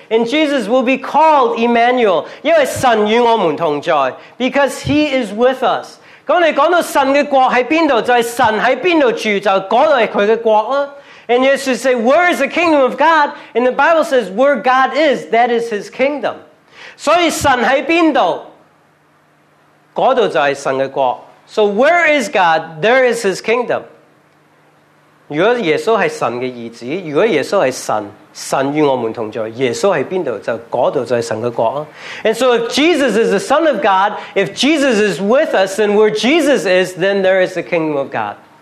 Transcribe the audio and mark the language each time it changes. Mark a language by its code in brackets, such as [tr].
[en] and Jesus will be called Emmanuel, [zh] 因为神与我们同在, [en] because he is with us. [zh] 当你讲到神的国在哪里居住, [en] and Jesus said, where is the kingdom of God? And the Bible says, where God is, that is his kingdom. [zh] 所以神在哪里,那里就是神的国。 [en] So where is God? There is his kingdom. [zh] 如果耶稣是神的儿子,如果耶稣是神,神与我们同在,耶稣在哪里,那里就是神的国。 [en] And so if Jesus is the Son of God, if Jesus is with us, then where Jesus is, then there is the kingdom of God.